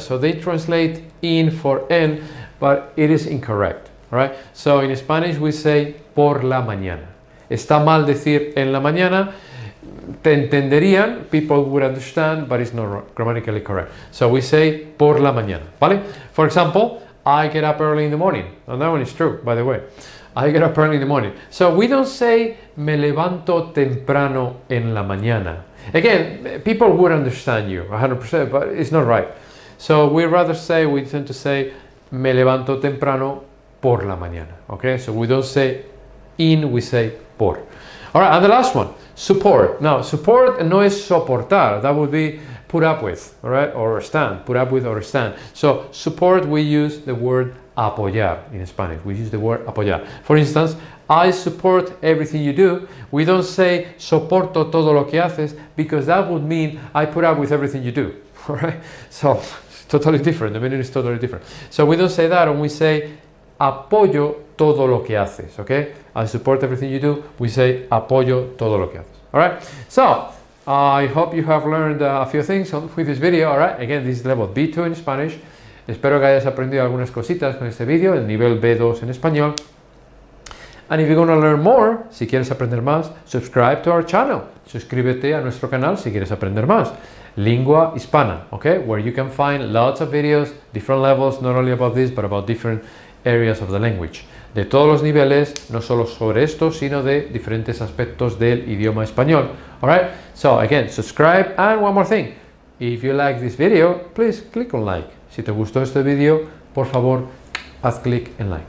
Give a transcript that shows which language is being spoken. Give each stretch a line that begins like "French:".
English: So they translate in for en, but it is incorrect. Right? So in Spanish we say por la mañana.
Spanish: Está mal decir en la mañana. Te entenderían,
English: people would understand, but it's not grammatically correct. So we say por la mañana, ¿vale? For example, I get up early in the morning. And that one is true, by the way. I get up early in the morning. So we don't say
Spanish: me levanto temprano en la mañana.
English: Again, people would understand you 100%, but it's not right. So we tend to say
Spanish: me levanto temprano por la mañana.
English: Okay, so we don't say in, we say por. All right, and the last one. Support. Now, support
Spanish: no es soportar.
English: That would be put up with, all right? Or stand. Put up with or stand. So, support, we use the word apoyar in Spanish. We use the word apoyar. For instance, I support everything you do. We don't say
Spanish: soporto todo lo que haces
English: because that would mean I put up with everything you do, all right? So, it's totally different. The meaning is totally different. So, we don't say that and we say
Spanish: apoyo todo lo que haces,
English: ok? I support everything you do, we say
Spanish: apoyo todo lo que haces.
English: Alright, so I hope you have learned a few things with this video, alright? Again, this is level B2 in Spanish.
Spanish: Espero que hayas aprendido algunas cositas con este video, el nivel B2 en español.
English: And if you're going to learn more,
Spanish: si quieres aprender más,
English: subscribe to our channel.
Spanish: Suscríbete a nuestro canal si quieres aprender más.
English: Lingua Hispana, ok? Where you can find lots of videos, different levels, not only about this, but about different areas of the language.
Spanish: De todos los niveles, no solo sobre esto, sino de diferentes aspectos del idioma español.
English: Alright, so again, subscribe. And one more thing, if you like this video, please click on like.
Spanish: Si te gustó este video, por favor, haz click en like.